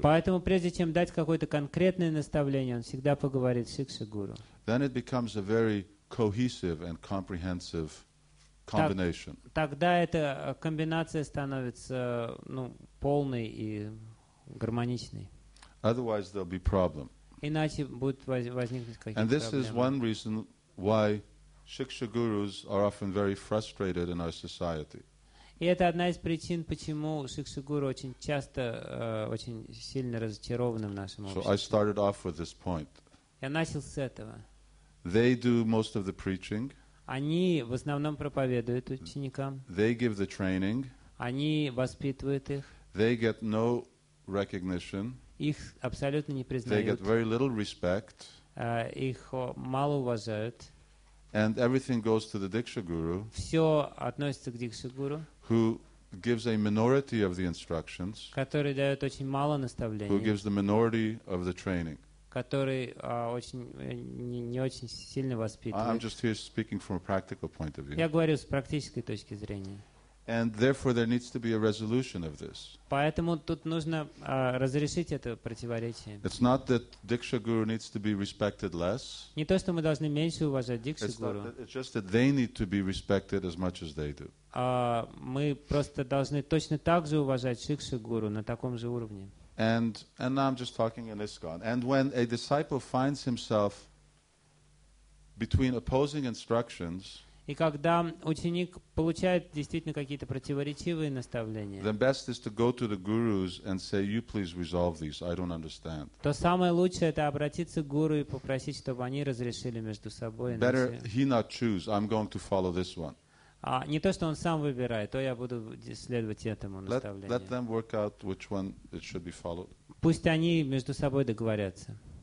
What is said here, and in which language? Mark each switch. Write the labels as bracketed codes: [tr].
[ru] Поэтому, прежде чем дать какое-то конкретное наставление, он всегда поговорит с Шикша Гуру. [en] Then it becomes a very cohesive and comprehensive combination. [ru] Тогда эта комбинация становится полной и гармоничной. [en] Otherwise, there'll be problem. [ru] Иначе будут возникнуть какие-то проблемы. [en] And this is one reason why Shiksha Gurus are often very frustrated in our society. [ru] И это одна из причин, почему Шикша Гуру очень часто, очень сильно разочарованы в нашем обществе. [en] So I started off with this point. [ru] Я начал с этого. [en] They do most of the preaching. [ru] Они в основном проповедуют ученикам. [en] They give the training. [ru] Они воспитывают их. [en] They get no recognition. [ru] Их абсолютно не признают. [en] They get very little respect. [ru] Их мало уважают. [en] And everything goes to the Diksha Guru. [ru] Все относится к Дикша Гуру. [en] Who gives a minority of the instructions? [ru] Который дает очень мало наставлений. [en] Who gives the minority of the training? [ru] Который не очень сильно воспитывает. [en] I'm just here speaking from a practical point of view. [ru] Я говорю с практической точки зрения. [en] And therefore there needs to be a resolution of this. [ru] Поэтому тут нужно разрешить это противоречие. [en] It's not that Diksha Guru needs to be respected less. [ru] Не то, что мы должны меньше уважать Дикшу Гуру. [en] It's just that they need to be respected as much as they do. [ru] Мы просто должны точно так же уважать Шикшу Гуру на таком же уровне. [en] And now I'm just talking in ISKCON. And when a disciple finds himself between opposing instructions, [ru] и когда ученик получает действительно какие-то противоречивые наставления, то самое лучшее — это обратиться к гуру и попросить, чтобы они разрешили между собой. [en] Better he not choose. I'm going to follow this one. [ru] Не то, что он сам выбирает, то я буду следовать этому наставлению. [en] Let them work out which one it should be followed. [ru] Пусть они между собой договорятся.